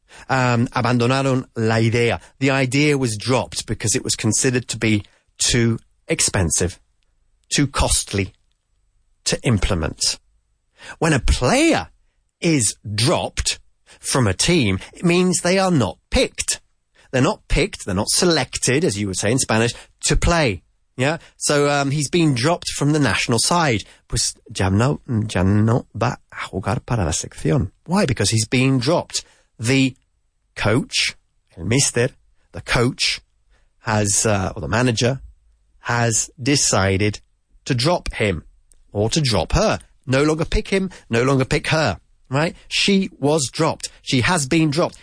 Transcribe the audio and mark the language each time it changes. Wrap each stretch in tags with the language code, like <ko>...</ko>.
<es>Abandonaron la idea.</es> <en>The idea was dropped because it was considered to be too expensive, too costly to implement. When a player is dropped from a team, it means they are not picked. They're not picked, they're not selected, as you would say in Spanish, to play. Yeah, so he's been dropped from the national side.</en> <es>Pues ya no va a jugar para la sección.</es> <en>Why? Because he's been dropped. The coach, el mister, the coach has, or the manager, has decided to drop him or to drop her. No longer pick him, no longer pick her, right? She was dropped. She has been dropped.</en>